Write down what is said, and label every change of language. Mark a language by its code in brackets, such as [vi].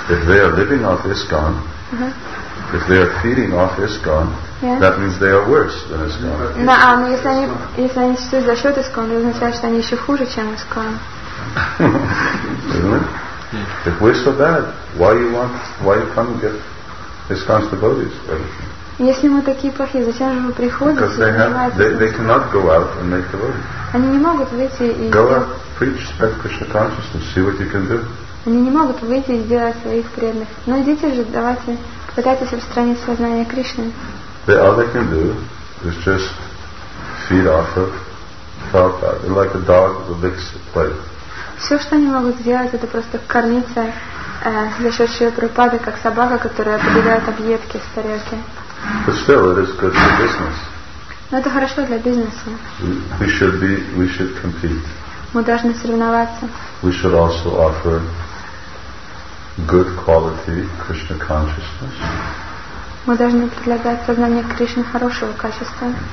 [en] If they are living off ISKCON, if they are feeding off ISKCON, that means they are worse than ISKCON. [ru] No, но если они существуют за счет ISKCON, это означает, что они еще хуже, чем ISKCON. [en] Really? If we're so bad, why you come and get ISKCON's devotees? [ru] Если мы такие плохие, зачем же вы приходите? [en] Because they cannot go out and make devotees. [ru] Они не могут выйти и... [en] Go out, preach, spread Krishna consciousness, see what you can do. [ru] Они не могут выйти и сделать своих преданных. Но идите же, давайте, пытайтесь распространить сознание Кришны. [en] The all they can do is just feed off of Prabhupada, like a dog with a big plate. [ru] Все, что они могут сделать, это просто кормиться за счет Шрилы Прабхупады, как собака, которая поедает объедки с тарелки. [en] But still, it is good for business. [ru] Но это хорошо для бизнеса. [en] We should compete. [ru] Мы должны соревноваться. [en] We should also offer good quality Krishna consciousness. [ru] Мы должны предлагать сознание Кришны хорошего качества.